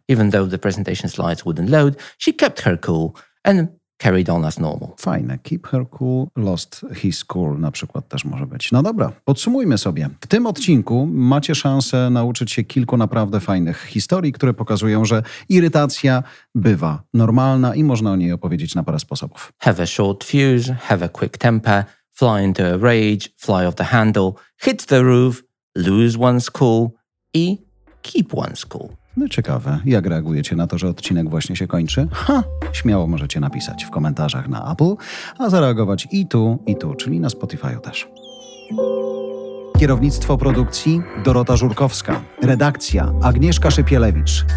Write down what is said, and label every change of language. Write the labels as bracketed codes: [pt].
[en] Even though the presentation slides wouldn't load, she kept her cool and carried on as normal. [pl] Fajne. [en] Keep her cool, lost his cool [pl] na przykład też może być. No dobra, podsumujmy sobie. W tym odcinku macie szansę nauczyć się kilku naprawdę fajnych historii, które pokazują, że irytacja bywa normalna i można o niej opowiedzieć na parę sposobów. [en] Have a short fuse, have a quick temper, fly into a rage, fly off the handle, hit the roof, lose one's cool i keep one's cool. [pl] No ciekawe, jak reagujecie na to, że odcinek właśnie się kończy? Ha! Śmiało możecie napisać w komentarzach na Apple, a zareagować i tu, czyli na Spotify'u też. Kierownictwo produkcji Dorota Żurkowska. Redakcja Agnieszka Szypielewicz.